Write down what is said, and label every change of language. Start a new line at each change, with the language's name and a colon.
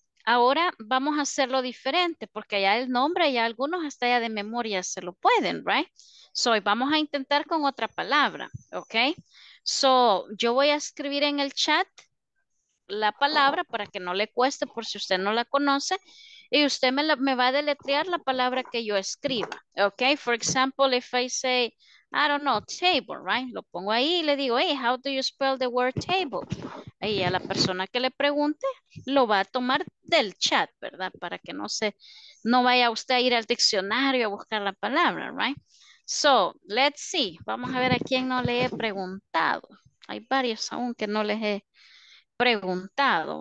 Spanish: Ahora vamos a hacerlo diferente porque ya el nombre, ya algunos hasta ya de memoria se lo pueden,
English: right?
Spanish: So, vamos a intentar con otra palabra, ok? So, yo voy a escribir en el chat la palabra para que no le cueste por si usted no la conoce y usted me va a deletrear la palabra que yo escriba, ok?
English: For example, if I say, I don't know, table, right?
Spanish: Lo pongo ahí y le digo,
English: hey, how do you spell the word table?
Spanish: Y a la persona que le pregunte, lo va a tomar del chat, ¿verdad? Para que no se, no vaya usted a ir al diccionario a buscar la palabra,
English: right? So, let's see.
Spanish: Vamos a ver a quién no le he preguntado. Hay varios aún que no les he preguntado.